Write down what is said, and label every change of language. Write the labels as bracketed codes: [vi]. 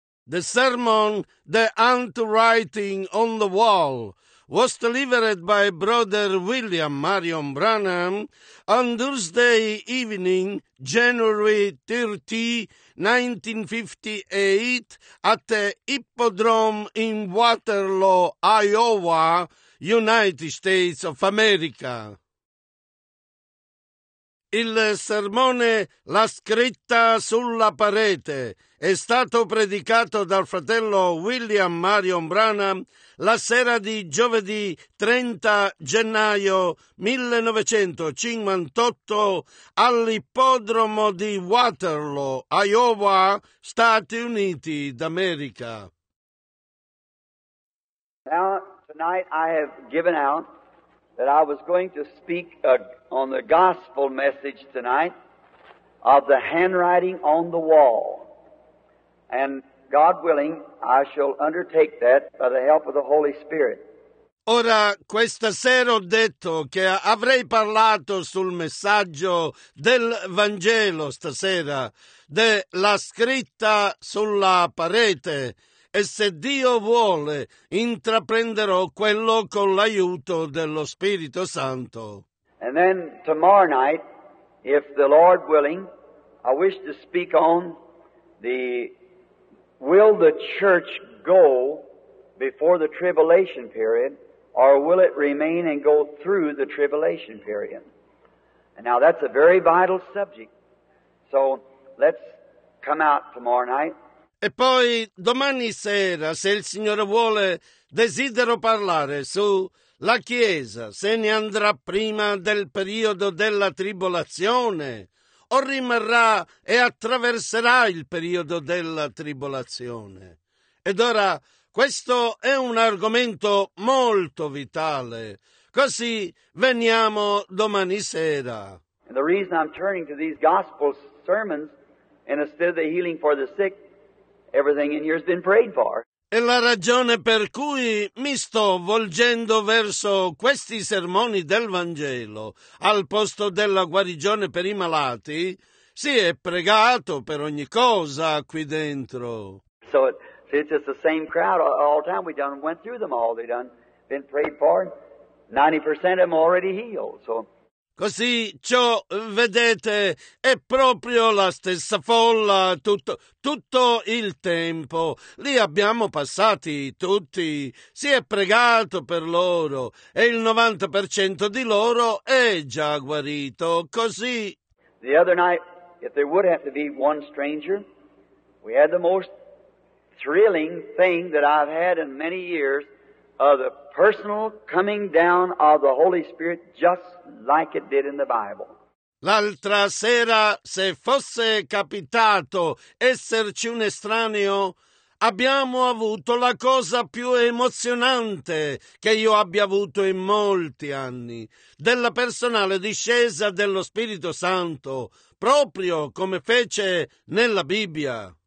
[en] The sermon, The Handwriting on the Wall, was delivered by Brother William Marion Branham on Thursday evening, January 30, 1958, at the Hippodrome in Waterloo, Iowa, United States of America. [it] Il sermone La scritta sulla parete è stato predicato dal fratello William Marion Branham la sera di giovedì 30 gennaio 1958 all'ippodromo di Waterloo, Iowa, Stati Uniti d'America. [en] Now, tonight I have given out that I was going to speak on the gospel message tonight of the handwriting on the wall. And God willing, I shall undertake that by the help of the Holy Spirit. [it] Ora, questa sera ho detto che avrei parlato sul messaggio del Vangelo stasera, della scritta sulla parete, e se Dio vuole, intraprenderò quello con l'aiuto dello Spirito Santo. [en] And then tomorrow night, if the Lord willing, I wish to speak on the will the church go before the tribulation period, or will it remain and go through the tribulation period? And now that's a very vital subject. So let's come out tomorrow night. [it] E poi domani sera, se il Signore vuole, desidero parlare su la Chiesa, se ne andrà prima del periodo della tribolazione, o rimarrà e attraverserà il periodo della tribolazione. Ed ora, questo è un argomento molto vitale. Così veniamo domani sera. [en] And the reason I'm turning to these gospel sermons, and instead of the healing for the sick, everything in here has been prayed for. [it] E la ragione per cui mi sto volgendo verso questi sermoni del Vangelo al posto della guarigione per i malati, si è pregato per ogni cosa qui dentro. [en] So it's just the same crowd all the time. We done went through them all. They've done been prayed for. 90% of them already healed. So. [it] Così ciò, vedete, è proprio la stessa folla tutto il tempo. Li abbiamo passati tutti, si è pregato per loro e il 90% di loro è già guarito. Così. [en] The other night, if there would have to be one stranger, we had the most thrilling thing that I've had in many years. Of the personal coming down of the Holy Spirit just like it did in the Bible. [it] L'altra sera, se fosse capitato esserci un estraneo, abbiamo avuto la cosa più emozionante che io abbia avuto in molti anni, della personale discesa dello Spirito Santo, proprio come fece nella Bibbia.